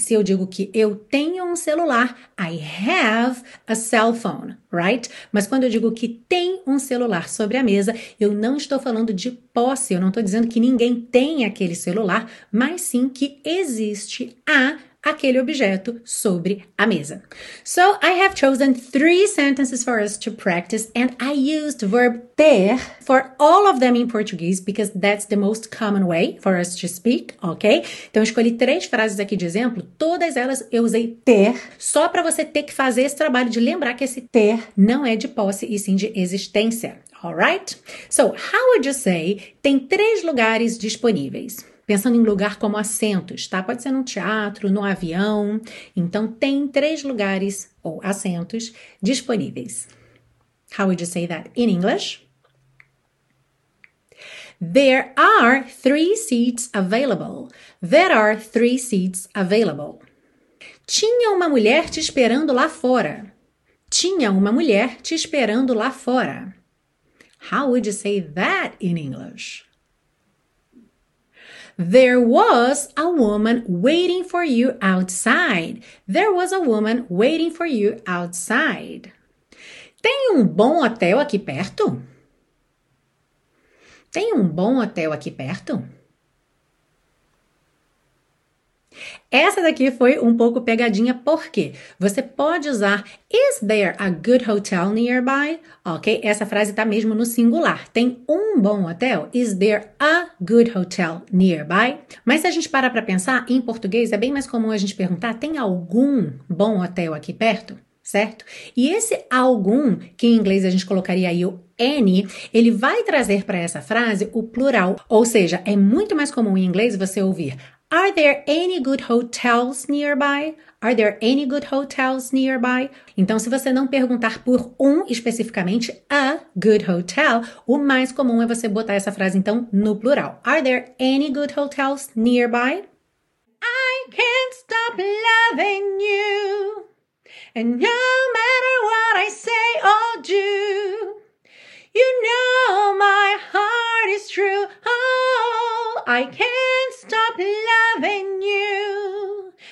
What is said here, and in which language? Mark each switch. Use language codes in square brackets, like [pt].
[pt] Se eu digo que eu tenho um celular, [en] I have a cell phone, right? [pt] Mas quando eu digo que tem um celular sobre a mesa, eu não estou falando de posse, eu não estou dizendo que ninguém tem aquele celular, mas sim que existe a aquele objeto sobre a mesa. [en] So, I have chosen 3 sentences for us to practice, and I used verb ter for all of them in Portuguese, because that's the most common way for us to speak, ok? [pt] Então, eu escolhi 3 frases aqui de exemplo, todas elas eu usei ter, só para você ter que fazer esse trabalho de lembrar que esse ter não é de posse e sim de existência, alright? [en] So, how would you say, [pt] tem 3 lugares disponíveis? Pensando em lugar como assentos, tá? Pode ser num teatro, num avião. Então, tem 3 lugares ou assentos disponíveis. [en] How would you say that in English? There are 3 seats available. There are 3 seats available. [pt] Tinha uma mulher te esperando lá fora. Tinha uma mulher te esperando lá fora. [en] How would you say that in English? There was a woman waiting for you outside. There was a woman waiting for you outside. [pt] Tem bom hotel aqui perto? Tem bom hotel aqui perto? Essa daqui foi pouco pegadinha, porque você pode usar [en] is there a good hotel nearby? [pt] Ok? Essa frase está mesmo no singular. Tem bom hotel? [en] Is there a good hotel nearby? [pt] Mas se a gente parar para pensar, em português é bem mais comum a gente perguntar tem algum bom hotel aqui perto? Certo? E esse algum, que em inglês a gente colocaria aí o any, ele vai trazer para essa frase o plural. Ou seja, é muito mais comum em inglês você ouvir [en] are there any good hotels nearby? Are there any good hotels nearby? Então, se você não perguntar por especificamente, a good hotel, o mais comum é você botar essa frase, então, no plural. Are there any good hotels nearby? I can't stop loving you. And no matter what I say or do, you know my heart is true. Oh, I can't stop loving you.